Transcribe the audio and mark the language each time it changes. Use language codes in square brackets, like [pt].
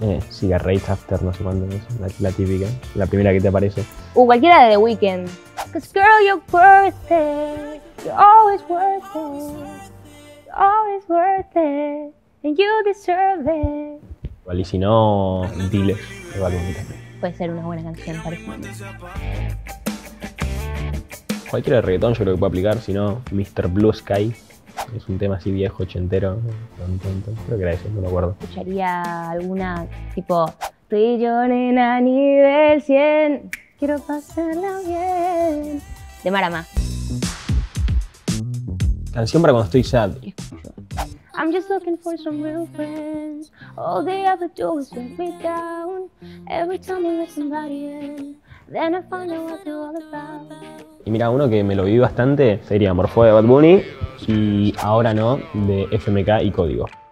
[es] Cigarettes After, no sé cuándo es. La típica. La primera que te aparece. Cualquiera de The Weeknd. [en] 'Cause girl, you're worth it. You're always worth it. You're always worth it. And you deserve it. [es] Y si no, dile. Puede ser una buena canción, parece. Cualquier reggaetón yo creo que puede aplicar, si no, Mr. Blue Sky. Es un tema así viejo, ochentero. Creo que era eso, no me acuerdo. Escucharía alguna tipo, tú y yo, nena, nivel 100. Quiero pasarla bien. De Marama. Canción para cuando estoy sad. [en] I'm just looking for some real friends. All they ever do is break me down. Every time I let somebody in, then I find out what they're all about. [es] Y mira, uno que me lo vi bastante sería Morfo de Bad Bunny y Ahora No de FMK y Código.